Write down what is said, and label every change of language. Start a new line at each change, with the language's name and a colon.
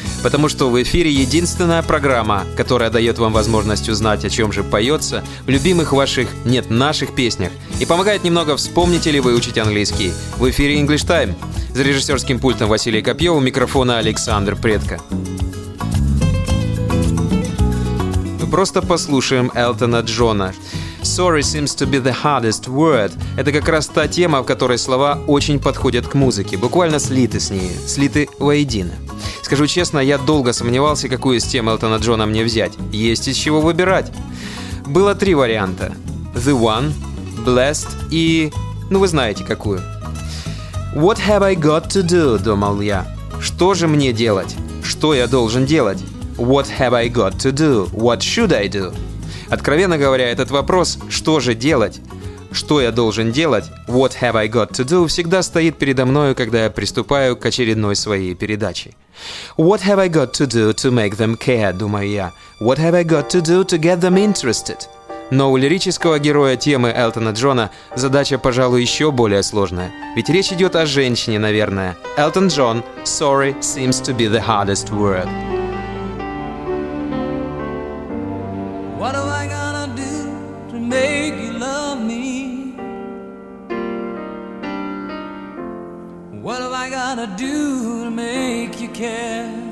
Russian: Потому что в эфире единственная программа, которая дает вам возможность узнать, о чем же поется, в любимых ваших, нет, наших песнях. И помогает немного вспомнить или выучить английский. В эфире English Time. За режиссерским пультом Василий Копьев, у микрофона Александр Предко. Мы просто послушаем Элтона Джона.
English: Sorry seems to be the hardest word.
Russian: Это как раз та тема, в которой слова очень подходят к музыке. Буквально слиты с ней, слиты воедино. Скажу честно, я долго сомневался, какую из тем Элтона Джона мне взять. Есть из чего выбирать. Было три варианта. The One, Blessed и... ну, вы знаете, какую.
English: What have I got to do,
Russian: думал я. Что же мне делать? Что я должен делать?
English: What have I got to do? What should I do?
Russian: Откровенно говоря, этот вопрос «что же делать?», «что я должен делать?»,
English: «what have I got to do?»
Russian: всегда стоит передо мною, когда я приступаю к очередной своей передаче.
English: «What have I got to do to make them care?» –
Russian: думаю я.
English: «What have I got to do to get them interested?»
Russian: Но у лирического героя темы Элтона Джона задача, пожалуй, еще более сложная. Ведь речь идет о женщине, наверное.
English: Элтон Джон, «Sorry seems to be the hardest word». What am I gonna do to make you love me? What am I gonna do to make you care?